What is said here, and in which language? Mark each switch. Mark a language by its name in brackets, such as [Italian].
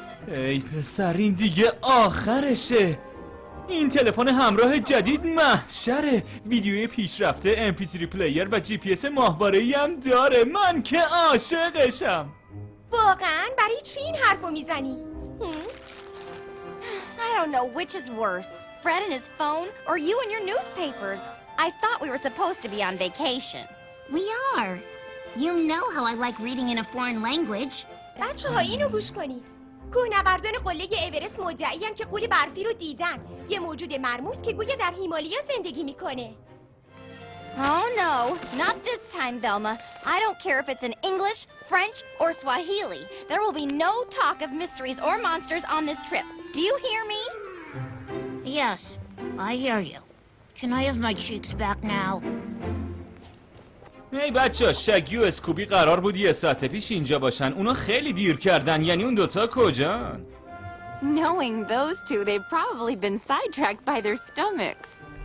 [Persian] ای پسر این دیگه آخرشه. این تلفن همراه جدید محشره، ویدیوی پیشرفته، MP3 پلیر و GPS ماهواره‌ای هم داره. من که عاشقشم. واقعا برای چی این حرفو میزنی؟ [English] I don't know which is worse, Fred and his phone or you and your newspapers. I thought we were supposed to be on vacation. We are. You know how I like reading in a foreign language. [Persian] بچه‌ها اینو گوش کنی. کوهنوردان قله ایورست مدعی هستند که قول برفی رو دیدن، یه موجود مرموز که گویا در هیمالیا زندگی میکنه. [English] Oh no, not this time, Velma. I don't care if it's in English, French, or Swahili. There will be no talk of mysteries or monsters on this trip. Do you hear me? Yes, I hear you. Can I have my cheeks back now? [Persian] ای بچه ها، شگی و اسکوبی قرار بود یه ساعت پیش اینجا باشن. اونا خیلی دیر کردن، یعنی اون دوتا کجان؟ [English] Knowing those two, they've probably been sidetracked by their stomachs.